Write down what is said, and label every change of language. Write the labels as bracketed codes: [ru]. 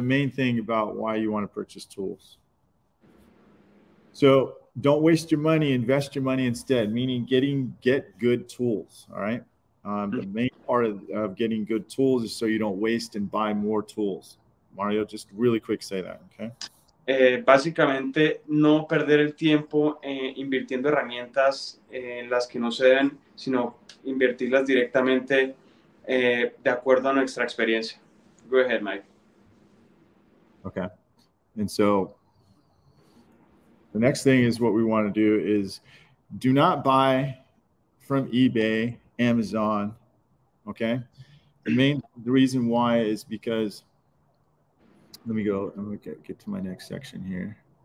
[en] The main thing about why you want to purchase tools. So don't waste your money, invest your money instead, meaning get good tools, all right? The main part of getting good tools is so you don't waste and buy more tools. Mario, just really quick say that, okay? [es] Básicamente, no perder el tiempo invirtiendo herramientas en las que no se deben, sino invertirlas directamente de acuerdo a nuestra experiencia. [en] Go ahead, Mike. Okay. And so the next thing is what we want to do is do not buy from eBay, Amazon, okay? The reason why is because, let me get to my next section here.